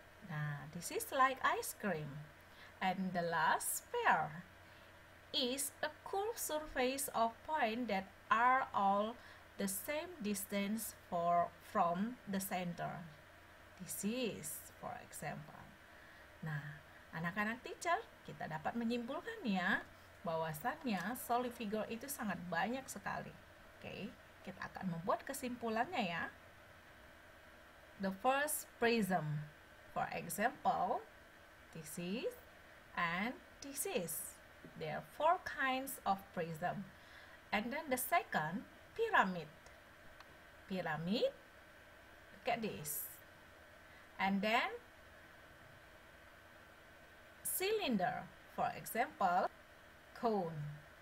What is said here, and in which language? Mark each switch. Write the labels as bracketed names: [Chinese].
[English] Now this is like ice cream. And the last sphere is a curved surface of point that are all the same distance from the center. This is for example. [Indonesian] Nah, anak-anak teacher, kita dapat menyimpulkan ya bahwasannya solid figure itu sangat banyak sekali. Oke, kita akan membuat kesimpulannya ya. [English] The first prism, for example, this is and this is. There are four kinds of prism. And then the second, pyramid. Pyramid, look at this. And then cylinder, for example, cone.